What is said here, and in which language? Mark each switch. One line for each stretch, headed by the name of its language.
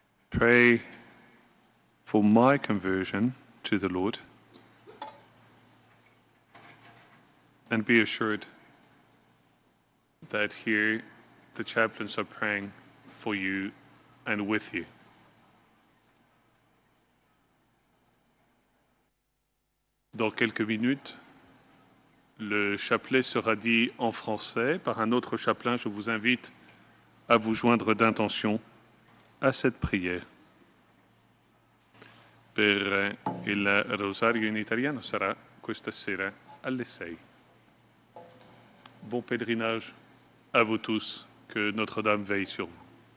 English: Pray for my conversion to the Lord. And be assured that here the chaplains are praying for you and with you.
French: Dans quelques minutes, le chapelet sera dit en français par un autre chapelain. Je vous invite à vous joindre d'intention à cette prière.
Italian: Per il rosario in italiano sarà questa sera alle 6.
French: Bon pèlerinage à vous tous, que Notre-Dame veille sur vous.